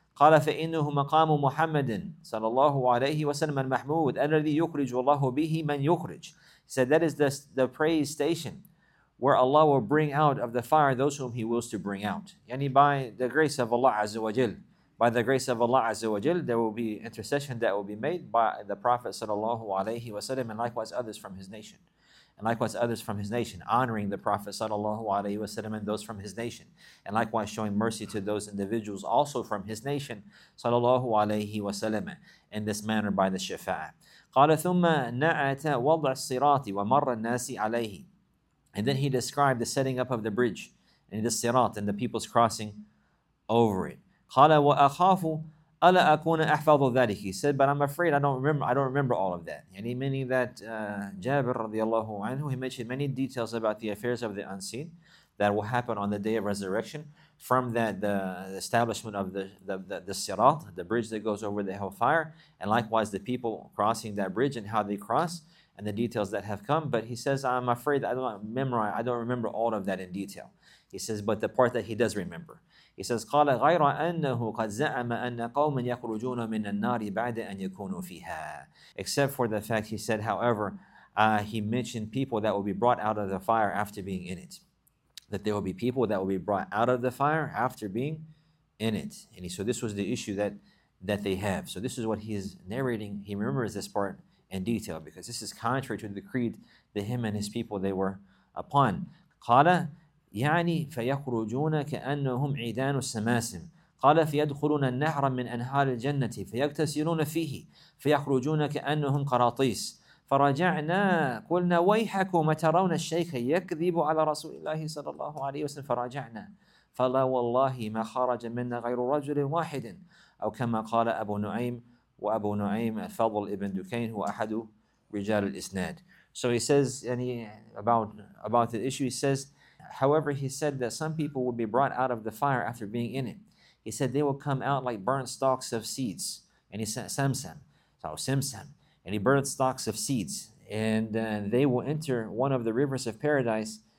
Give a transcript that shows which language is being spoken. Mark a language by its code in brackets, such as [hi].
[ar] قال فإنه مقام محمد صلى الله عليه وسلم المحمود الذي يخرج الله به من يخرج. [en] He said that is the praise station where Allah will bring out of the fire those whom He wills to bring out. يعني by the grace of Allah عز وجل. By the grace of Allah Azza wa Jal, there will be intercession that will be made by the Prophet Sallallahu Alaihi Wasallam and likewise others from his nation. And likewise others from his nation, honoring the Prophet Sallallahu Alaihi Wasallam and those from his nation. And likewise showing mercy to those individuals also from his nation, Sallallahu Alaihi Wasallam, in this manner by the Shafa'ah. [ar] قَالَ ثُمَّ نَعَتَ وَضْعَ الصِّرَاطِ وَمَرَّ النَّاسِ عَلَيْهِ. [en] And then he described the setting up of the bridge and the sirat and the people's crossing over it. [ar] قال وأخاف ألا أكون أحفظ ذلك. [en] He said, but I'm afraid I don't remember all of that. يعني meaning that Jabir رضي الله عنه, he mentioned many details about the affairs of the unseen that will happen on the day of resurrection. From that, the establishment of the Sirat, the bridge that goes over the hellfire, and likewise the people crossing that bridge and how they cross, and the details that have come. But he says, I'm afraid I don't remember all of that in detail. He says, but the part that he does remember. He says, [ar] قَالَ غَيْرَ أَنَّهُ قَدْ زَعَمَ أَنَّ قَوْمًا يَخْرُجُونَ مِنَ النَّارِ بَعْدَ أَنْ يَكُونُوا فِيهَا. [en] Except for the fact, he said, however, he mentioned people that will be brought out of the fire after being in it. That there will be people that will be brought out of the fire after being in it. And so this was the issue that they have. So this is what he is narrating. He remembers this part in detail because this is contrary to the creed that him and his people they were upon. [ar] قَالَ يعني فيخرجون كأنهم عيدان السماسم. قال فيدخلون النهر من أنهار الجنة فيكتسرون فيه فيخرجون كأنهم قراطيس. فرجعنا قلنا ويحكم ترون الشيخ يكذب على رسول الله صلى الله عليه وسلم. فرجعنا فلا والله ما خرج منا غير رجل واحد أو كما قال أبو نعيم وأبو نعيم الفضل ابن دكين هو أحد رجال الإسناد. [en] So he says any about the issue. He says, however, he said that some people would be brought out of the fire after being in it. He said they will come out like burnt stalks of seeds. And he said, Samsam. And he burnt stalks of seeds. And they will enter one of the rivers of paradise.